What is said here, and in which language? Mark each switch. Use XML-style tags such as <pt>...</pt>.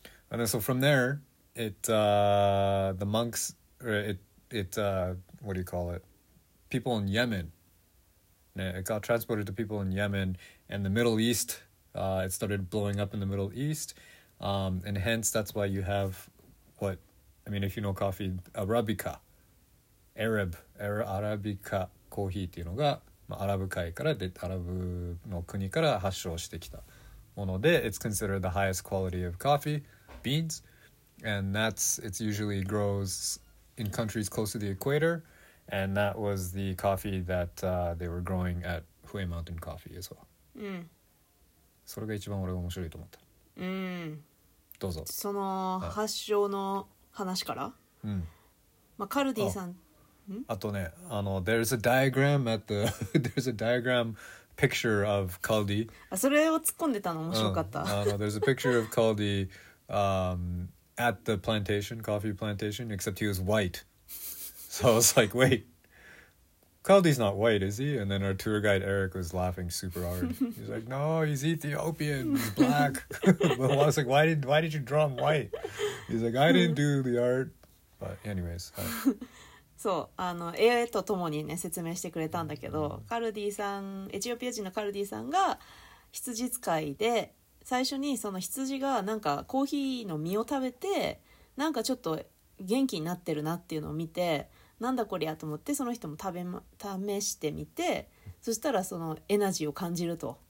<en>and then so from there it the monks it what do you call it people in Yemen it got transported to people in Yemen and the Middle East it started blowing up in the Middle East and hence that's why you have what I mean if you know coffee ArabicaArabica</en> <ja>コーヒーっていうのが、まあ、アラブ海からでアラブの国から発祥してきたもので</ja> <en>It's considered the highest quality of coffee beans and that's it usually grows in countries close to the equator and that was the coffee that they were growing at Hue Mountain Coffee as well、</en> <ja>うん、それが一番俺が面白いと思った、うん、どうぞその発祥の話から、うんまあ、カルディさんあとね、あの、</ja> <en>there's a diagram at the, there's a diagram picture of Caldi.</en> <ja>あ、それを突っ込んでたの面白かった。うん、あの、</ja> <en>there's a picture of Caldi, at the plantation, coffee plantation, except he was white. So I was like, wait, Caldi's not white, is he? And then our tour guide Eric was laughing super hard. He's like, no, he's Ethiopian, he's black. But I was like, why did you draw him white? He's like, I didn't do the art. But anyways.、</en> <ja>そうあの絵とともにね説明してくれたんだけど、カルディさんエチオピア人のカルディさんが羊使いで最初にその羊がなんかコーヒーの実を食べてなんかちょっと元気になってるなっていうのを見てなんだこりゃと思ってその人も試してみてそしたらそのエナジーを感じると、</ja>